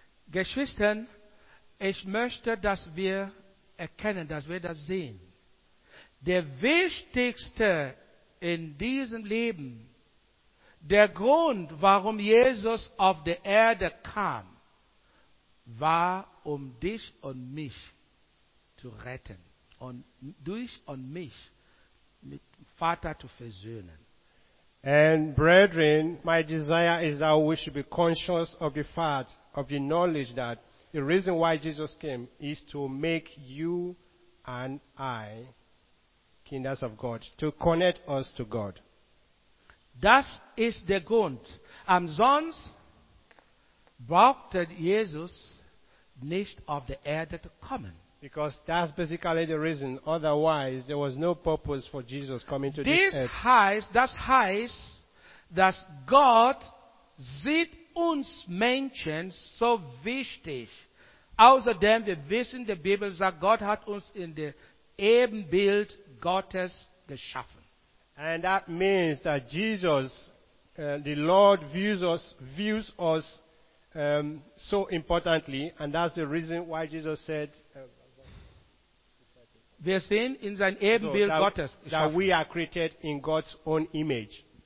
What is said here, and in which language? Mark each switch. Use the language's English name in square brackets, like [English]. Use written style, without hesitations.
[German] Geschwistern, ich möchte, dass wir erkennen, dass wir das sehen. Der Wichtigste in diesem Leben, der Grund, warum Jesus auf der Erde kam, war, um dich und mich zu retten und durch und mich mit dem Vater zu versöhnen. [English] And brethren, my desire is that we should be conscious of the fact, of the knowledge that the reason why Jesus came is to make you and I kinders of God, to connect us to God. [German] Das ist der Grund. Am sonst brauchte Jesus nicht auf der Erde zu kommen. [English] Because that's basically the reason. Otherwise, there was no purpose for Jesus coming to this earth. [German] Das heißt, dass Gott sieht uns Menschen so wichtig. Außerdem, wir wissen, die Bibel sagt, Gott hat uns in dem Ebenbild Gottes geschaffen. [English] And that means that Jesus, the Lord views us so importantly, and that's the reason why Jesus said, [German] wir sind in sein Ebenbild Gottes geschaffen. [English] That we are created in God's own image.